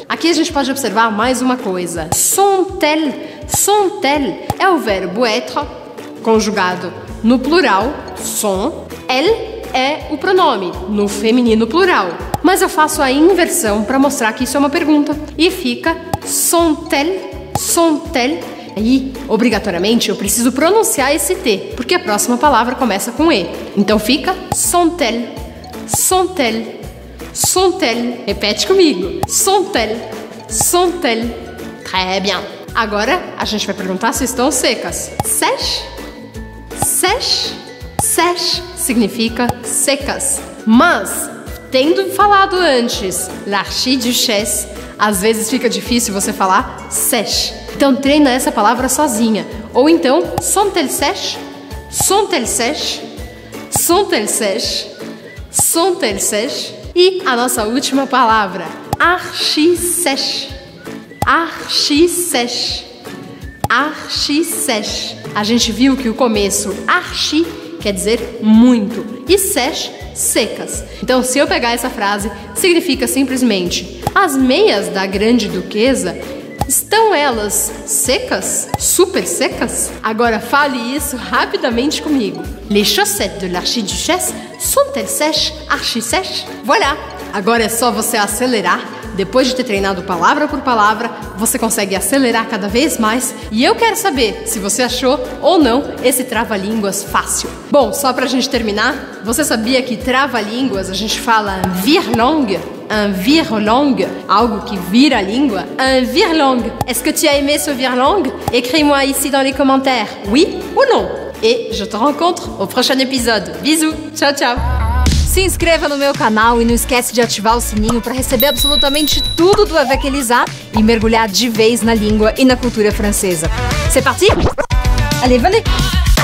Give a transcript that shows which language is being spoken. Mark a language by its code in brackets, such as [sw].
[pt] Aqui a gente pode observar mais uma coisa. [fr] Sont-elles? Sont-elles? [pt] É o verbo être conjugado no plural, son, elle é o pronome, no feminino plural. Mas eu faço a inversão para mostrar que isso é uma pergunta. E fica [fr] sont-elles, sont-elles. [pt] Aí, obrigatoriamente, eu preciso pronunciar esse T, porque a próxima palavra começa com E. Então fica [fr] sont-elles, sont-elles, sont-elles. [pt] Repete comigo. [fr] Sont-elles, sont-elles. Très bien. [pt] Agora, a gente vai perguntar se estão secas. [fr] Sèche? Sèche, sèche [pt] significa secas. Mas, tendo falado antes l'archiduchesse, às vezes fica difícil você falar sèche. Então treina essa palavra sozinha. Ou então, [fr] sont-elles sèches? Sont-elles sèches? Sont-elles sèches? Sont-elles sèches? [pt] E a nossa última palavra, archi-sèche. [fr] Archi-sèche. Archi-sèche. A gente viu que o começo archi quer dizer muito e sèche, secas. Então, se eu pegar essa frase, significa simplesmente: as meias da grande duquesa, estão elas secas? Super secas? Agora fale isso rapidamente comigo. Les chaussettes de l'archiduchesse sont-elles sèches, archi-sèches? Voilà! [pt] Agora é só você acelerar. Depois de ter treinado palavra por palavra, você consegue acelerar cada vez mais. E eu quero saber se você achou ou não esse trava-línguas fácil. Bom, só pra gente terminar, você sabia que trava-línguas a gente fala un virlong, algo que vira língua, un virlong. [fr] Est-ce que tu as aimé ce virlong? Écris-moi ici dans les commentaires, oui ou non? Et je te rencontre au prochain épisode. Bisous, [pt] tchau, tchau. Se inscreva no meu canal e não esquece de ativar o sininho para receber absolutamente tudo do Avec Elisa e mergulhar de vez na língua e na cultura francesa. [fr] C'est parti? Allez, venez!